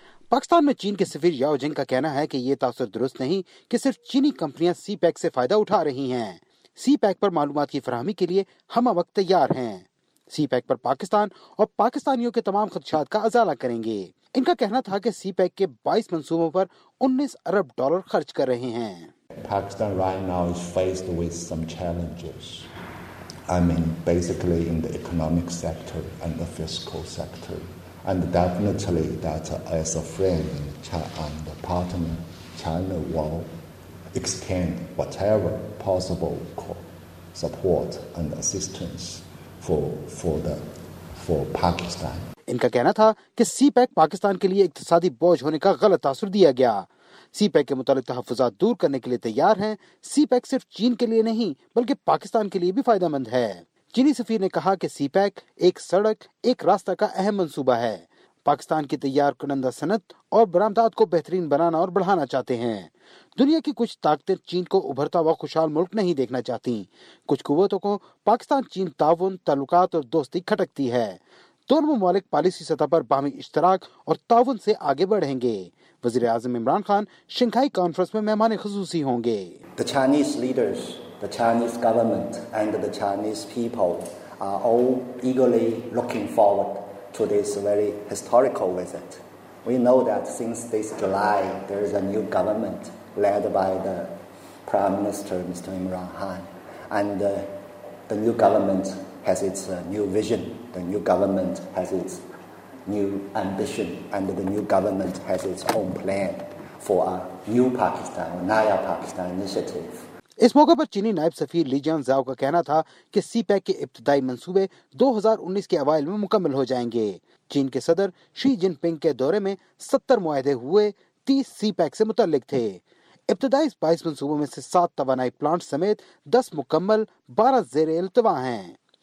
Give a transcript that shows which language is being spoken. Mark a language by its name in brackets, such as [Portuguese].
[Urdu] پاکستان میں چین کے سفیر یاو جنگ کا کہنا ہے کہ یہ تاثر درست نہیں کہ صرف چینی کمپنیاں سی پیک سے فائدہ اٹھا رہی ہیں. سی پیک پر معلومات کی فراہمی کے لیے ہم وقت تیار ہیں. سی پیک پر پاکستان اور پاکستانیوں کے تمام خدشات کا ازالہ کریں گے. ان کا کہنا تھا کہ سی پیک کے 22 منصوبوں پر 19 ارب ڈالر خرچ کر رہے ہیں. [English] Pakistan right now is faced with some challenges. I mean, basically in the economic sector and the fiscal sector. And definitely that as a friend and a partner, China will extend whatever possible support and assistance for Pakistan. [Urdu] ان کا کہنا تھا کہ سی pack Pakistan کے لیے اقتصادی بوجھ ہونے کا غلط تاثر دیا گیا. سی پیک کے متعلق تحفظات دور کرنے کے لیے تیار ہیں. سی پیک صرف چین کے لیے نہیں بلکہ پاکستان کے لیے بھی فائدہ مند ہے. چینی سفیر نے کہا کہ سی پیک ایک سڑک ایک راستہ کا اہم منصوبہ ہے. پاکستان کی تیار کنندہ صنعت اور برآمدات کو بہترین بنانا اور بڑھانا چاہتے ہیں. دنیا کی کچھ طاقتیں چین کو ابھرتا ہوا خوشحال ملک نہیں دیکھنا چاہتی. کچھ قوتوں کو پاکستان چین تعاون، تعلقات اور دوستی کھٹکتی ہے. دونوں ممالک پالیسی سطح پر باہمی اشتراک اور تعاون سے آگے بڑھیں گے. وزیر اعظم عمران خان شنگھائی کانفرنس میں مہمان خصوصی ہوں گے. [English] The Chinese leaders, the Chinese government and the Chinese people are all eagerly looking forward to this very historical visit. We know that since this July there is a new government led by the Prime Minister Mr. Imran Khan, and the new government has its new vision, the new government has its new ambition, and the new government has its own plan for a new Pakistan, Naya Pakistan initiative. [Urdu] اس موقع پر چینی نائب سفیر لی جان زاؤ کا کہنا تھا کہ سی pack کے ابتدائی منصوبے 2019 کے اوائل میں مکمل ہو جائیں گے. چین کے صدر شی جن پنگ کے دورے میں 70 معاہدے ہوئے، 30 سی پیک سے متعلق تھے. ابتدائی 22 منصوبوں میں سے 7 توانائی پلانٹ سمیت 10 مکمل، 12 زیر التوا ہیں.